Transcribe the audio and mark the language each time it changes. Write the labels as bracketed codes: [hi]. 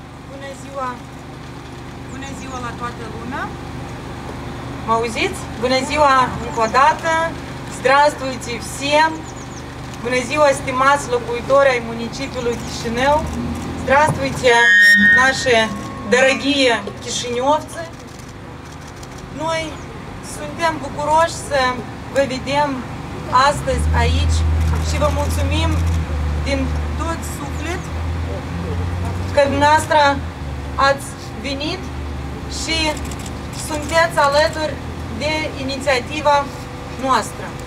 [ro] Bună ziua! Bună ziua la toată lumea! Mă auziți? Bună ziua încă o dată! [ru] Здравствуйте всем! [ro] Bună ziua, stimați locuitori ai municipiului Chișinău! [ru] Здравствуйте, наши дорогие кишиневцы! [ro] Noi suntem bucuroși să vă vedem astăzi aici și vă mulțumim din tot suflet că dumneavoastră ați venit și sunteți alături de inițiativa noastră.